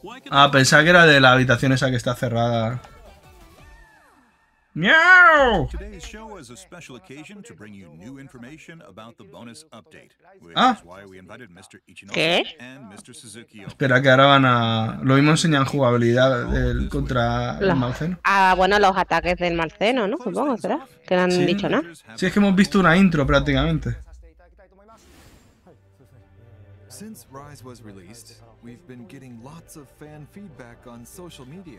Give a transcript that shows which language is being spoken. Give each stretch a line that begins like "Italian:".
Spanish: Ah, pensaba que era de la habitación esa que está cerrada. ¡Miau!
English: Today's show is a special occasion to bring you new information about the bonus update, which is why we invited Mr. Ichinoku and Mr.
Spanish: Suzuki. Espera, que ahora van a... Lo mismo enseñan jugabilidad del contra los... el Malceno. Ah, bueno, los ataques del Malceno, ¿no? Supongo, ¿será? Que no han dicho nada. ¿No? Sí, es que hemos visto una intro prácticamente.
English: Since Rise was released, we've been getting lots of fan feedback on social media.